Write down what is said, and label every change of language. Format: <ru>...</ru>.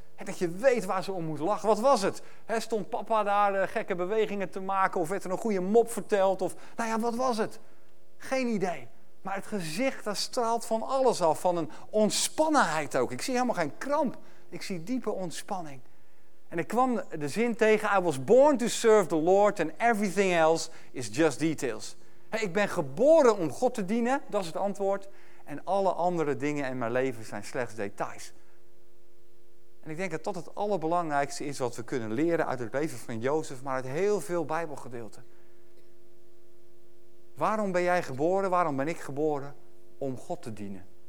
<nl>En dat je weet waar ze om moet lachen. Wat was het? Stond papa daar gekke bewegingen te maken of werd er een goede mop verteld? Of, nou ja, wat was het? Geen idee. Maar het gezicht, dat straalt van alles af, van een ontspannenheid ook. Ik zie helemaal geen kramp. Ik zie diepe ontspanning. En ik kwam de zin tegen,</nl> <en>I was born to serve the Lord and everything else is just details.</en> <nl>Ik ben geboren om God te dienen, dat is het antwoord. En alle andere dingen in mijn leven zijn slechts details. En ik denk dat dat het allerbelangrijkste is wat we kunnen leren uit het leven van Jozef, maar uit heel veel Bijbelgedeelten. Waarom ben jij geboren? Waarom ben ik geboren? Om God te dienen.</nl>